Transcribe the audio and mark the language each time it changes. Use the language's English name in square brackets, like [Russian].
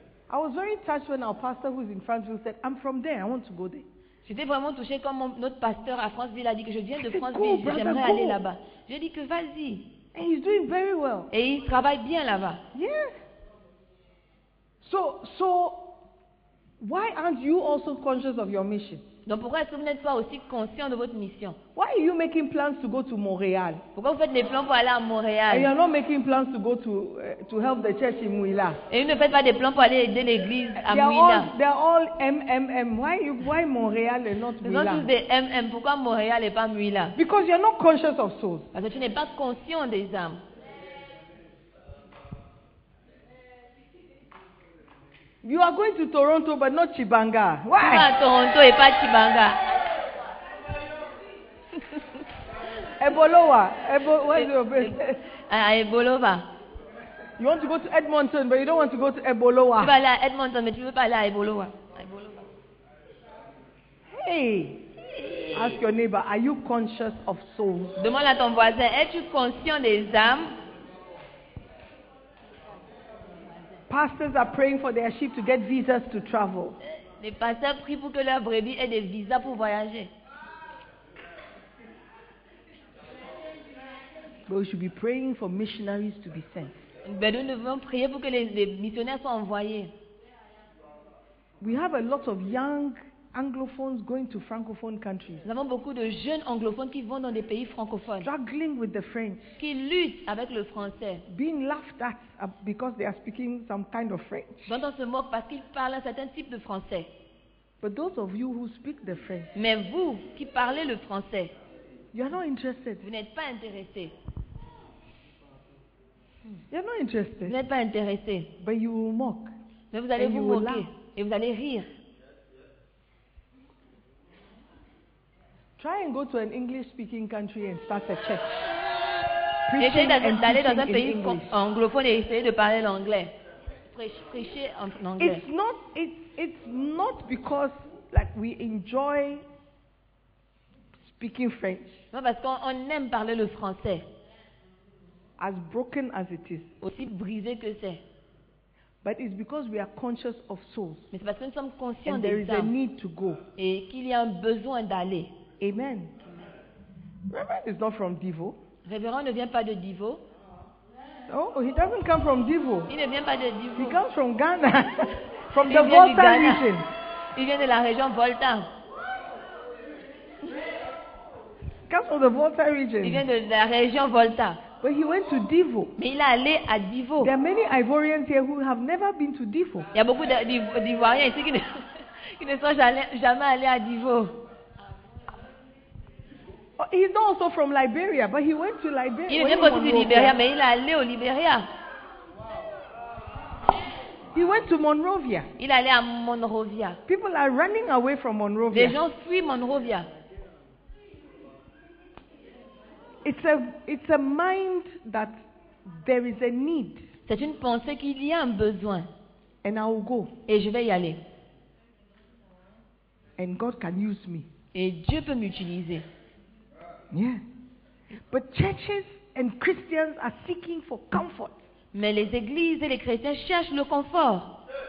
[English] I was very touched when our pastor who is in Franceville said, I'm from there, I want to go there. [French] J'étais vraiment touchée quand notre pasteur à Franceville a dit que je viens de Franceville, [English] go, [French] j'aimerais [English] brother, [French] aller là-bas. J'ai dit que vas-y. [English] And he's doing very well. [French] Et il travaille bien là-bas. [English] Yeah. So why aren't you also conscious of your mission? [French] Donc pourquoi est-ce que vous n'êtes pas aussi conscient de votre mission? [English] Why are you making plans to go to Montréal? [French] Pourquoi vous faites des plans pour aller à Montréal? [English] And you're not making plans to go to help the church in Mouila. [French] Et vous ne faites pas des plans pour aller aider l'église à [English] Mouila. They're all MMM. Why Montréal and not Mouila? [French] Ils sont tous des MM. Pourquoi Montréal et pas Mouila? [English] Because you're not conscious of souls. [French] Parce que tu n'es pas conscient des âmes. [English] You are going to Toronto, but not Chibanga. Why? [French] À Toronto et pas Chibanga. [English] Ebolowa. What's your business? Ebolowa. You want to go to Edmonton, but you don't want to go to Ebolowa. [French] Tu vas aller à Edmonton, mais tu veux pas aller à Ebolowa. [English] Hey. Ask your neighbor. Are you conscious of souls? [French] Demande à ton voisin. Es-tu conscient des âmes? [English] Pastors are praying for their sheep to get visas to travel. [French] Les pasteurs prient pour que leurs brebis aient des visas pour voyager. [English] But we should be praying for missionaries to be sent. [French] Ben nous devons prier pour que les missionnaires soient envoyés. [English] We have a lot of young Anglophones going to francophone countries. [French] Nous avons beaucoup de jeunes anglophones qui vont dans des pays francophones. [English] Struggling with the French. [French] Qui luttent avec le français. [English] Being laughed at because they are speaking some kind of French. [French] Dont on se moque parce qu'ils parlent un certain type de français. [English] But those of you who speak the French. [French] Mais vous qui parlez le français. [English] You are not interested. [French] Vous n'êtes pas intéressé. [English] You're not interested. [French] Vous n'êtes pas intéressé. [English] But you will mock. [French] Mais vous allez vous moquer et vous allez rire. [English] Try and go to an English-speaking country and start a church. [French] Essayez d'aller dans un pays anglophone et essayez de parler l'anglais. Prêcher en anglais. [English] It's not because like we enjoy speaking French. [French] Non, parce qu'on aime parler le français. [English] As broken as it is. [French] Aussi brisé que c'est. [English] But it's because we are conscious of souls. [French] Mais c'est parce que nous sommes conscients des âmes. [English] And there is a need to go. [French] Et qu'il y a un besoin d'aller. [English] Amen. Reverend is not from Divo. [French] Reverend ne vient pas de Divo. [English] Oh, he doesn't come from Divo. [French] Il ne vient pas de Divo. [English] He comes from Ghana. From the Volta region. [French] Il vient de la région Volta. [English] Comes from the Volta region. [French] Il vient de la région Volta. [English] But he went to Divo. [French] Mais il est allé à Divo. [English] There are many Ivorians here who have never been to Divo. [French] Il y a beaucoup d'Ivoiriens ici qui ne sont jamais allés à Divo. [English] He's not also from Liberia, but he went to Liberia. [French] Il vient aussi du Liberia, mais il est allé au Liberia. [English] He went to Monrovia. [French] Il est allé à Monrovia. [English] People are running away from Monrovia. [French] Les gens fuient Monrovia. [English] It's a mind that there is a need. [French] C'est une pensée qu'il y a un besoin. [English] And I will go. [French] Et je vais y aller. [English] And God can use me. [French] Et Dieu peut m'utiliser. [English] Yeah. But churches and Christians are seeking for comfort. [French] Mais les églises et les chrétiens cherchent le confort.